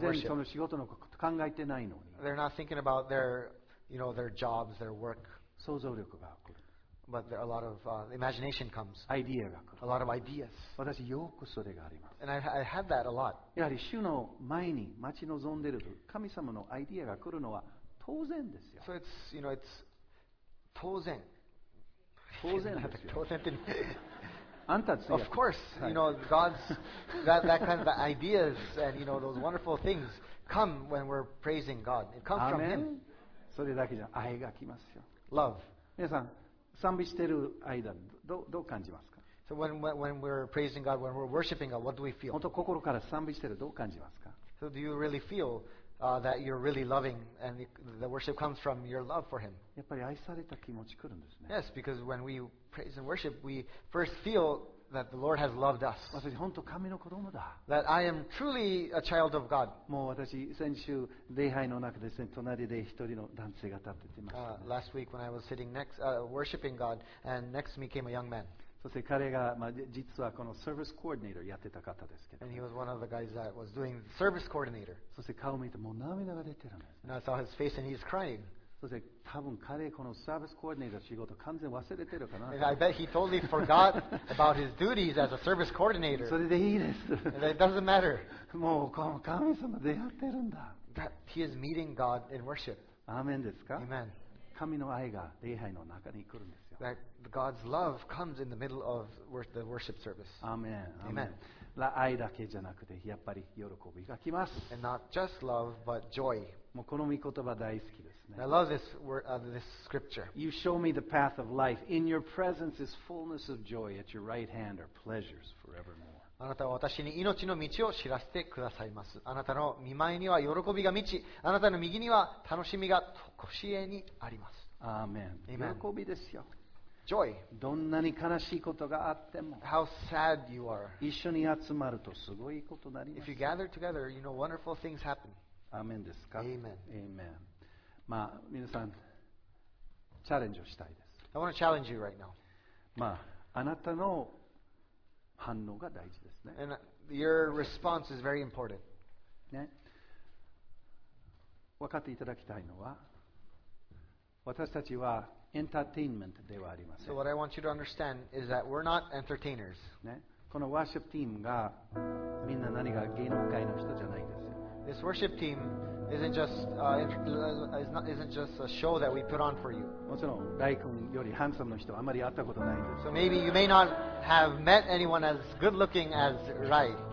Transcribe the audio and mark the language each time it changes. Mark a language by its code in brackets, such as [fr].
[ja] 全然その仕事のこと考えてないのに。 [en] They're not thinking about their, you know, their jobs, their work. [ja] 想像力が来る。 [en] But there are a lot of imagination comes. [ja] Idea が来る。 [en] A lot of ideas. [ja] 私よくそれがあります。 [en] And I have that a lot. [ja] やはり主の前に待ち望んでいると神様のアイデアが来るのは当然ですよ。 [en] So it's, you know, it's [ja] 当然。当然ですよ。当然って。あんたつや。 [en] Of course, you know, God's that kind of ideas and you know those wonderful things come when we're praising God. It comes from Him. [ja] それだけじゃ愛が来ますよ。 [en] Love. [ja] 皆さん。賛美している間、どう感じますか。 [en] So when we're praising God, when we're worshiping God, what do we feel? [ja] 本当心から賛美しているどう感じますか。 [en] So do you really feel that you're really loving and the worship comes from your love for Him? [ja] やっぱり愛された気持ち来るんですね。 [en] Yes, because when we praise and worship, we first feel that the Lord has loved us. [ja] 私本当神の子供だ。 [en] That I am truly a child of God. [ja] もう私先週礼拝の中ですね、隣で一人の男性が立っていました、ね。 [en] Last week when I was sitting next, worshiping God, and next to me came a young man. [ja] そして彼が、まあ、実はこのサービスコーディネーターやってた方ですけど。 [en] And he was one of the guys that was doing the service coordinator. [ja] そして顔を見てもう涙が出てるんです、ね。 [en] And I saw his face and he's crying. [ja] そして多分彼このサービスコーディネーター仕事完全忘れてるかな。 [en] I bet he totally forgot about his duties as a service coordinator. [ja] それでいいです。 [en] It doesn't matter. [ja] もう神様出会ってるんだ。 [en] That he is meeting God in worship. [ja] アーメンですか。 [en] Amen. [ja] 神の愛が礼拝の中に来るんですよ。 [en] That God's love comes in the middle of the worship service. Amen. Amen. [ja] 愛だけじゃなくてやっぱり喜びが来ます。 [en] And not just love, but joy. [ja] もうこの御言葉大好きですね。 [en] I love this word, this scripture. You show me the path of life. In your presence is fullness of joy. At your right hand are pleasures forevermore. [ja] あなたは私に命の道を知らせてくださいます。あなたの御前には喜びが満ち、あなたの右には楽しみがとこしえにあります。アーメン。 [en] Amen. [ja] 喜びですよ。 [en] Joy. [ja] どんなに悲しいことがあっても、 [en] How sad you are. [ja] 一緒に集まるとすごいことになります。 [en] If you gather together, you know wonderful things happen. [ja] アーメンですか。 [en] Amen. Amen. [ja] まあ皆さんチャレンジをしたいです。 [en] I want to challenge you right now. [ja] まああなたの反応が大事ですね。 [en] And your response is very important. [ja] ね。分かっていただきたいのは、私たちはエンターテインメントではありません。 [en] So what I want you to understand is that we're not entertainers. [ja] ね。このワーシップチームがみんな何か芸能界の人じゃないですよ。 [en] This worship team isn't just a show that we put on for you. [ja] もちろん、大君より handsome の人はあまり会ったことないです。 [en] So maybe you may not have met anyone as good looking as Rai.